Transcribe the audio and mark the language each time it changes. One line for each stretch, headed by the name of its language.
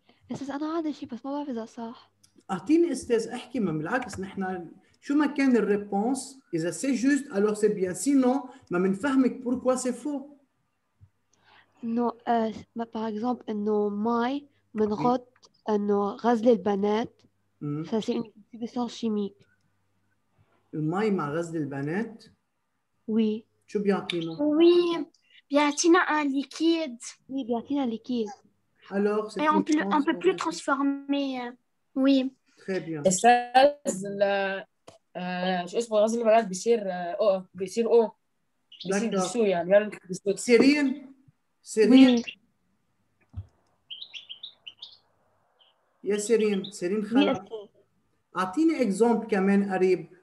French: Est-ce que c'est un autre chose? Parce que je ne sais pas si c'est ça. Est-ce que c'est un autre chose? Je ne sais pas si c'est une réponse. Si c'est juste, alors c'est bien. Sinon, je ne sais pas pourquoi c'est faux. Non, par exemple, non, mais.
Arabic: من غط إنه غزل البنات، فهذه
French: substance chimique.
Arabic: الماء مع غزل البنات.
French: oui.
Arabic: شو بيعطينا؟
French: oui.
Arabic: بيعطينا un liquide.
French: oui.
Arabic: بيعطينا liquide.
French: alors. et on peut plus transformer. oui. très bien. et ça la juste pour
Arabic: غزل البنات بيصير أو بيصير أو. بيصير بيسو يعني. سيرين.
French: oui.
Arabic: يا سيرين، سيرين خلاص أعطيني اكزامبل كمان قريب.